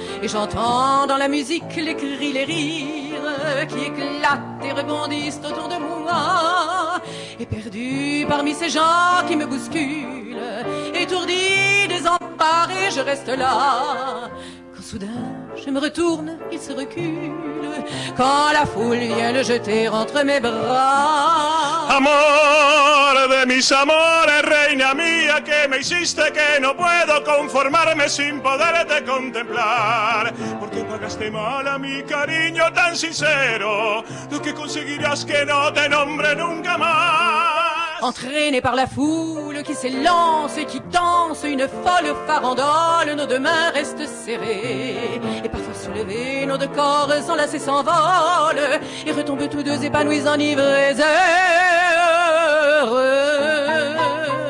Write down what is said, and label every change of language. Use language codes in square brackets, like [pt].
[fr] Et j'entends dans la musique les cris, les rires qui éclatent et rebondissent autour de moi. Et perdu parmi ces gens qui me bousculent, étourdi, désemparé, je reste là. Quand soudain je me retourne, ils se reculent, quand la foule vient le jeter entre mes bras. [es] Amor de mis amores, reina mía, que me hiciste que no puedo conformarme sin poderte contemplar. Porque pagaste mal a mi cariño tan sincero, lo que conseguirás que no te nombre nunca más. [fr] Entraîné par la foule qui s'élance et qui danse, une folle farandole, nos deux mains restent serrées. Et parfois soulevées, nos deux corps sans lasser s'envolent et retombent tous deux épanouis, enivrés, heureux.